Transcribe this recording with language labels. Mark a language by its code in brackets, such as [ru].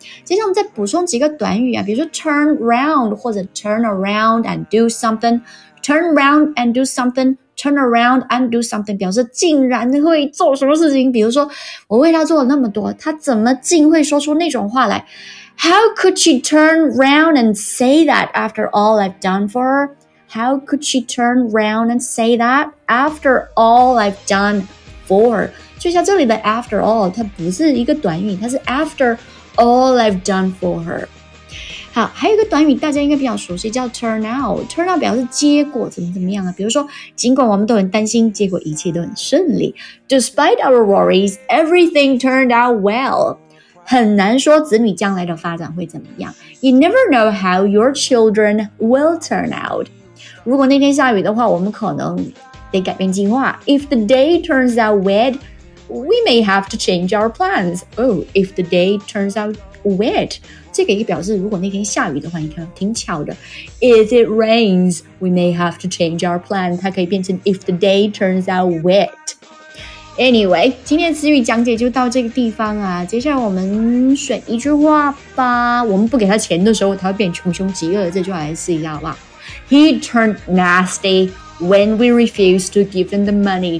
[zh] 接下来我们再补充几个短语啊，比如说 turn round 或者 [en] turn around and do something. Turn round and do something. Turn around and do something [zh] 表示竟然会做什么事情。比如说，我为他做了那么多，他怎么竟会说出那种话来？ [en] How could she turn round and say that after all I've done for her? How could she turn round and say that after all I've done for her? [zh] 注意一下这里的 after all， 它不是一个短语，它是 [en] after all I've done for her。 [zh] 好，还有一个短语大家应该比较熟悉，叫 turn out。 turn out 表示结果怎么怎么样啊？比如说，尽管我们都很担心，结果一切都很顺利。 [en] Despite our worries, everything turned out well. [zh] 很难说子女将来的发展会怎么样。 [en] You never know how your children will turn out. [zh] 如果那天下雨的话，我们可能得改变计划。 [en] If the day turns out wet, we may have to change our plans. Oh, if the day turns out wet. [zh] 这个也表示如果那天下雨的话，你看挺巧的。 [en] If it rains, we may have to change our plan. [zh] 它可以变成 [en] if the day turns out wet. Anyway, [zh] 今天的词语讲解就到这个地方啊。接下来我们选一句话吧。我们不给他钱的时候，他会变穷凶极恶。这句话来试一下好不好 [en] ？He turned nasty when we refused to give him the money.